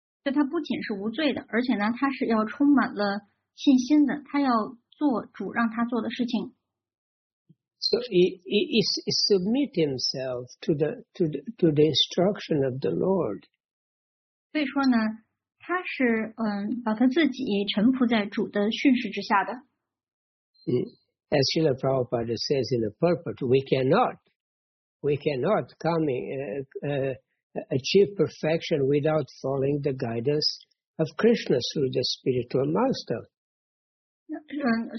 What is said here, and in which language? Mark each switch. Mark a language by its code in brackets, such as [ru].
[zh] 他不仅是无罪的，而且呢，他是要充满了信心的，他要做主让他做的事情。 [en] So he submit himself to the instruction of the Lord. [zh] 所以说呢，他是把他自己臣服在主的训示之下的。 [en] As Srila Prabhupada says in the purport, we cannot achieve perfection without following the guidance of Krishna through the spiritual master.